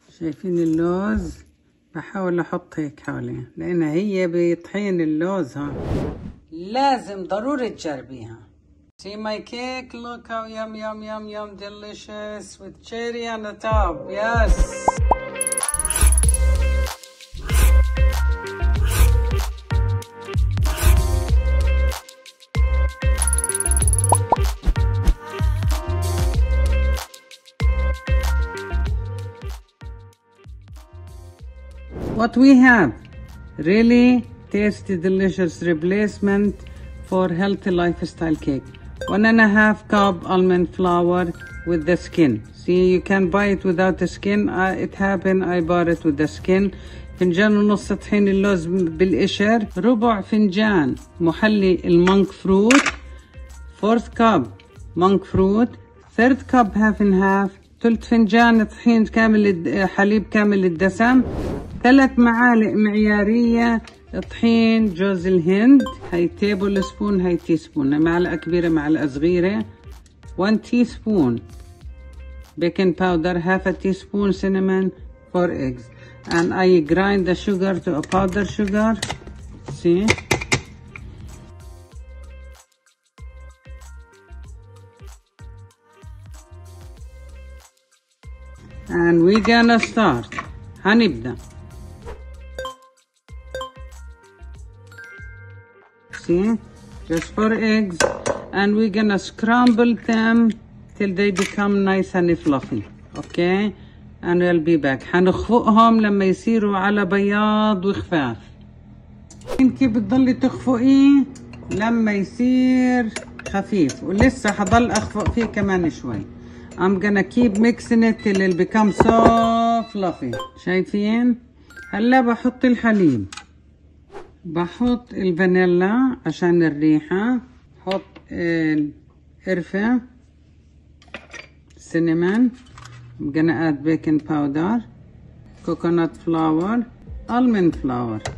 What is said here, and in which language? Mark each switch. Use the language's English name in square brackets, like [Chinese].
[Arabic] شايفين اللوز؟ بحاول احط هيك حواليها لان هي بطحين اللوز. ها لازم ضروري تجربيها. [English] See my cake, look how yum yum yum yum delicious with cherry on the top. Yes. What we have really tasty delicious replacement for healthy lifestyle cake. 1.5 cup almond flour with the skin. See, you can buy it without the skin. It happened, I bought it with the skin. [Arabic] فنجان ونص طحين اللوز بالقشر. ربع فنجان محلي المونك فروت. [English] Fourth cup monk fruit. Third cup half and half. [Arabic] ثلث فنجان طحين كامل حليب كامل الدسم. 3 معالق معيارية طحين جوز الهند. هاي تيبل سبون هاي تي سبون. معلقة كبيرة معلقة صغيرة. [English] 1 teaspoon baking powder. 1/2 teaspoon cinnamon. 4 eggs. And I grind the sugar to a powder sugar. See. And we gonna start. [Arabic] هنبدأ. [English] See, just 4 eggs, and we're gonna scramble them till they become nice and fluffy. Okay, and we'll be back. [Arabic] حنخفقهم لما يصيروا على بياض وخفاف. انت بتضلي تخفقي لما يصير خفيف ولسه حضل اخفق فيه كمان شوي. [English] I'm gonna keep mixing it till it becomes so fluffy. [Arabic] شايفين؟ هلا بحط الحليب. بحط الفانيلا عشان الريحة. حط القرفة. سينمون. [English] I'm gonna add baking powder. Coconut flour. Almond flour.